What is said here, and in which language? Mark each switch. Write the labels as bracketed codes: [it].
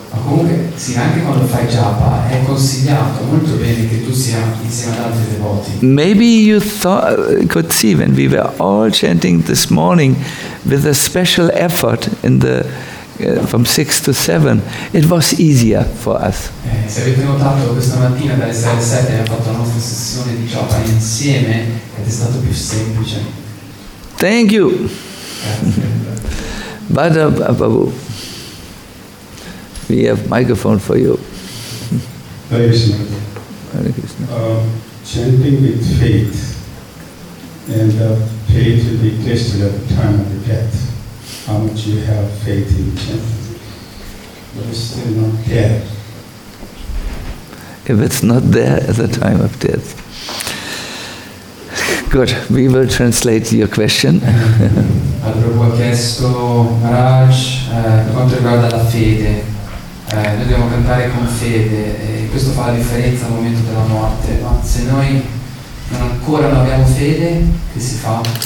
[en] Maybe you thought, could see when we were all chanting this morning with a special effort in the from 6 to 7, it was easier for us. [it] Se avete notato, questa mattina dalle 6 alle 7 abbiamo fatto la nostra sessione di japa insieme ed è stato più semplice. [en] Thank you. Bada Babu, we have microphone for you. Hare Krishna. Hare Krishna. Chanting with faith and faith will be tested at the time of the death. How much you have faith in chanting, but it's still not there. If it's not there at the time of death. Good, we will translate your question. [it] Prabhu ha chiesto Maharaj, per quanto riguarda la fede, noi dobbiamo cantare con fede e questo fa la differenza al momento della morte, ma se noi ancora non abbiamo fede, che si fa?